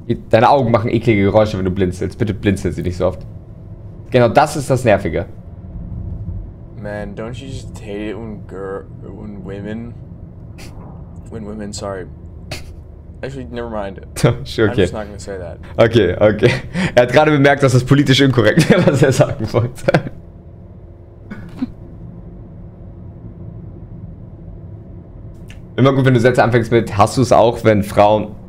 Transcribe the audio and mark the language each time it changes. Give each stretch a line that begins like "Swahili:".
German: Deine Augen machen eklige Geräusche, wenn du blinzelst. Bitte blinzel sie nicht so oft. Genau, das ist das Nervige.
English: Man, don't you just hate it when women, actually, never mind. Okay. I'm just not gonna say that. Okay, okay.
German: Er hat gerade bemerkt, dass das politisch inkorrekt wäre, was er sagen wollte. Immer gut, wenn du Sätze anfängst mit, hast du es auch, wenn Frauen...